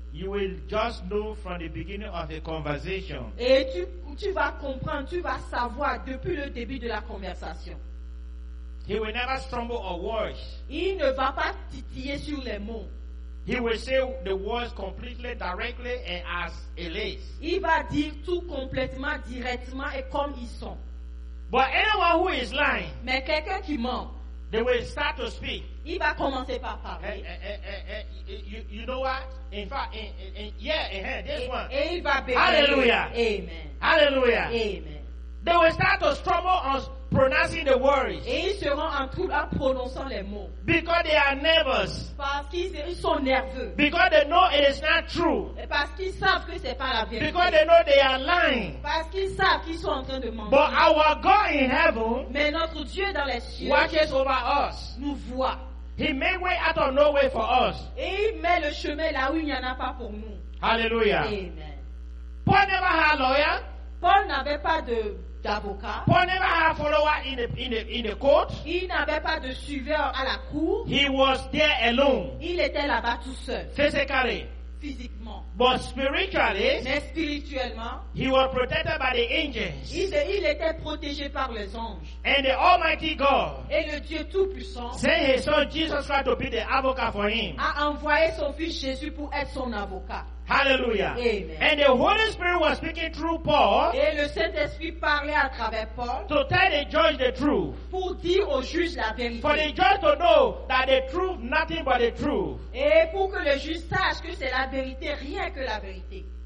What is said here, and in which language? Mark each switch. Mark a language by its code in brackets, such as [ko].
[en] you will just know from the beginning of the conversation. [fr] Et tu vas comprendre, tu vas savoir depuis le début de la conversation. [en] He will never stumble or worse. [fr] Il ne va pas titiller sur les mots. [en] He will say the words completely, directly, and as it is. [fr] Il va dire tout complètement, directement et comme ils sont. [en] But anyone who is lying, [fr] mais quelqu'un qui ment, [en] they will start to speak. [fr] Il va commencer par parler. [en] You know what? In fact, this one. [fr] Et il va bénir. Hallelujah. Amen. Hallelujah. Amen. [en] They will start to struggle on pronouncing the words. [fr] Et ils seront en trouble en prononçant les mots. [en] Because they are nervous. [fr] Parce qu'ils sont nerveux. [en] Because they know it is not true. [fr] Et parce qu'ils savent que c'est pas la vérité. [en] Because they know they are lying. [fr] Parce qu'ils savent qu'ils sont en train de mentir. [en] But our God in heaven, [fr] mais notre Dieu dans les cieux, [en] watches over us. [fr] Nous voit. [en] He made way out of no way for us. [fr] Et il met le chemin là où il n'y en a pas pour nous. Hallelujah. Amen. [en] Paul never had a lawyer. [fr] Paul n'avait pas de d'avocat. [en] Paul never had a follower in the court. [fr] Il n'avait pas de suiveur à la cour. [en] He was there alone. [fr] Il était là-bas tout seul. [en] Physically. [fr] Physiquement. [en] But spiritually. [fr] Mais spirituellement. [en] He was protected by the angels. [fr] Il était protégé par les anges. [en] And the Almighty God. [fr] Et le Dieu Tout-Puissant. [en] Sent his son Jesus Christ to be the advocate for him. [fr] A envoyé son fils Jésus pour être son avocat. Hallelujah. Amen. [en] And the Holy Spirit was speaking through Paul. [fr] Et le Saint-Esprit parlait à travers Paul. [en] To tell the judge the truth. [fr] Pour dire au juge la vérité. [en] For the judge to know that the truth, nothing but the truth. [fr] Et pour que le juge sache que c'est la vérité, rien que la vérité.